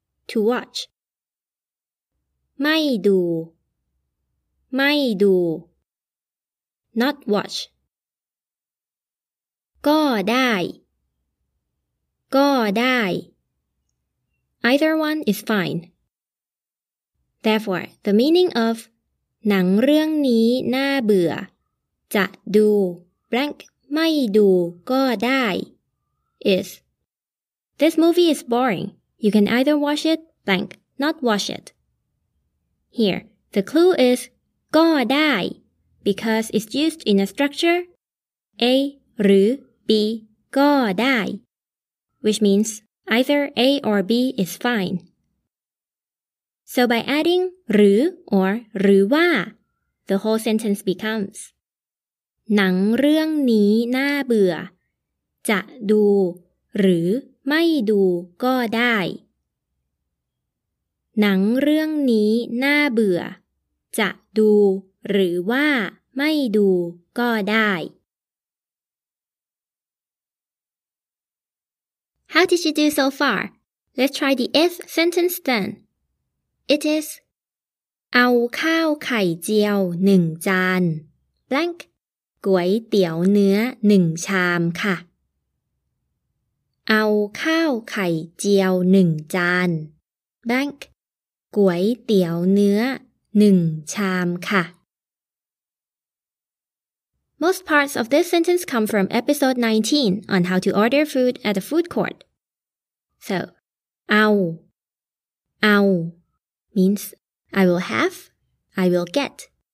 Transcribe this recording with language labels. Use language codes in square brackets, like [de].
[en] To watch [th] ไม่ดูไม่ดู [en] Not watch [th] ก็ได้ก็ได้ [en] Either one is fine Therefore, the meaning of [th] หนังเรื่องนี้น่าเบื่อจะดู [en] blank [th] ไม่ดูก็ได้ [en] is This movie is boring. You can either watch it blank, not watch it. Here, the clue is ก็ได้because it's used in a structure [th] A หรือ B ก็ได้ [en] which means either A or B is fine. So by adding หรือ or หรือว่า the whole sentence becomes [th] หนังเรื่องนี้น่าเบื่อจะดูหรือไม่ดูก็ได้หนังเรื่องนี้น่าเบื่อจะดูหรือว่าไม่ดูก็ได้ [en] How did you do so far? Let's try the if sentence then. It is [th] เอาข้าวไข่เจียว1จาน blank ก๋วยเตี๋ยวเนื้อ1ชามค่ะเอาข้าวไข่เจียว1จาน blank ก๋วยเตี๋ยวเนื้อ1ชามค่ะ [en] Most parts of this sentence come from episode 19 on how to order food at a food court. So, [th] เอา [en] means I will have, I will get.